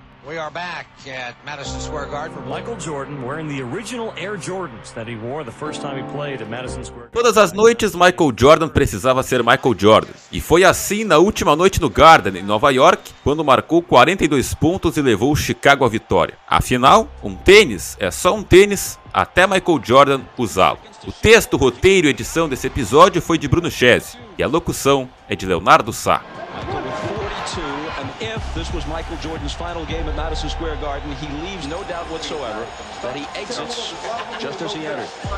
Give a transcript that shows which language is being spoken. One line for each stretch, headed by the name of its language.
English: We are back at Madison Square Garden for Michael Jordan wearing the original Air Jordans that he wore the first time he played at Madison Square Garden.
Portuguese: Todas as noites Michael Jordan precisava ser Michael Jordan. E foi assim na última noite no Garden, em Nova York, quando marcou 42 pontos e levou o Chicago à vitória. Afinal, um tênis é só um tênis até Michael Jordan usá-lo. O texto, roteiro e edição desse episódio foi de Bruno Chesi e a locução é de Leonardo Sá.
English: 42 and if this was Michael Jordan's final game at Madison Square Garden, he leaves no doubt whatsoever that he exits just as he entered.